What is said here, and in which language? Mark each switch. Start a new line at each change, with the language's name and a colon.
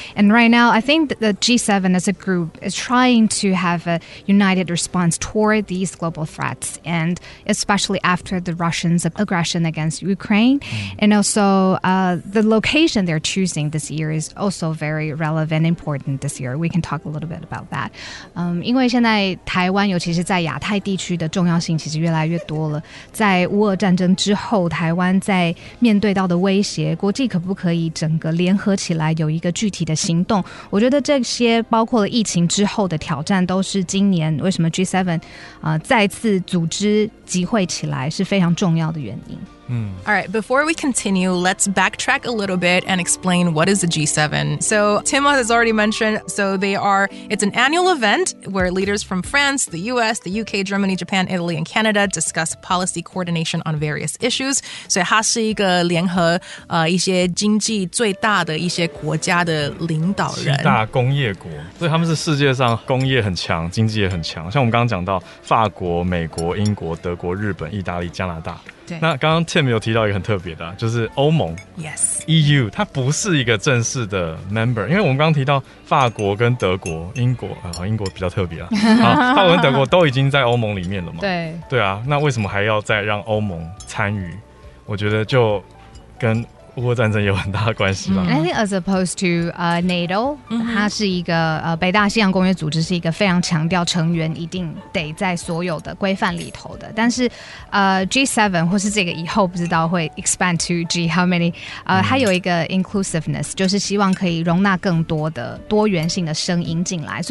English: And right now, I think that the G7 as a group is trying to have a united response toward these global threats, and especially after the Russians' aggression against Ukraine. And also the location they're choosing this year is also very relevant, important this year. We can talk a little bit about that.
Chinese: 因为现在台湾尤其是在亚太地区的重要性其实越来越多了。在乌俄战争之后，台湾在面对到的威胁，国际可不可以整个联合起来有一个具体的行动？我觉得这些包括了疫情之后的挑战，都是今年为什么 G7 再次组织集会起来是非常重要的原因。
English: All right, before we continue, let's backtrack a little bit and explain what is the G7. So Tim has already mentioned, it's an annual event where leaders from France, the US, the UK, Germany, Japan, Italy, and Canada discuss policy coordination on various issues.
Chinese: So 它是一个联合一些经济最大的一些国家的领导人。七大工业国。所以他们是世界上工业很强，经济也很强。像我们刚刚讲到法国、美国、英国、德国、日本、意大利、加拿大。那刚刚 Tim 有提到一个很特别的，就是欧盟 EU 它不是一个正式的 member， 因为我们刚刚提到法国跟德国、英国英国比较特别啦法国跟德国都已经在欧盟里面了嘛，对对啊，那为什么还要再让欧盟参与？我我觉得就跟俄乌战争有很大的关系吧。
English: I think as opposed to NATO,、mm-hmm.
Chinese: 它是一个北大西洋公约组织，是一个非常强调成员一定得在所有的规范里头的。但是G7 或是这个以后不知道会
English: expand to G how many,、
Chinese: 它有一个 inclusiveness, 就是希望可以容纳更多的多元性的声音进来。